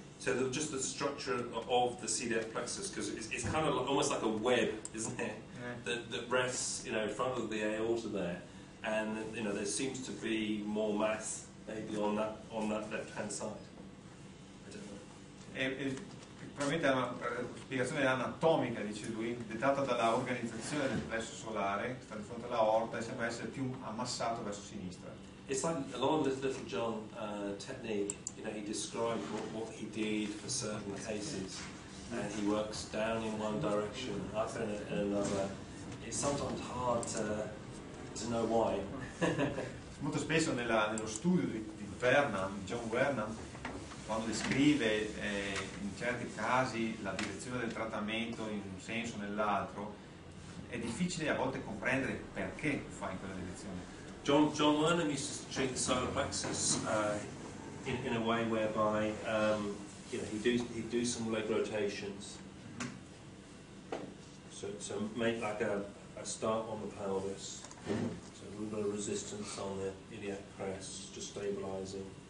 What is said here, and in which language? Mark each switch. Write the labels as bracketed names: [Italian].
[English] So just the structure of the CDF plexus, because it's kind of like, almost like a web, isn't it? Yeah. That rests, you know, in front of the aorta there, and you know there seems to be more mass maybe on that left hand side. I don't know. [Italian] Probabilmente è una spiegazione anatomica, dice lui, dettata dalla organizzazione del plesso solare che sta di fronte alla aorta e sembra essere più ammassato verso sinistra. [English] It's like a lot of this little John technique, you know, he described what he did for certain cases, and he works down in one direction, up in another. It's sometimes hard to know why. [Italian] Molto spesso nello studio di Vernon, John Vernon, quando descrive in certi casi la direzione del trattamento in un senso o nell'altro, è difficile a volte comprendere perché fa in quella direzione. [English] John Vernon used to treat the solar plexus in a way whereby you know he'd do some leg rotations, so make like a start on the pelvis, so a little bit of resistance on the iliac crest, just stabilizing.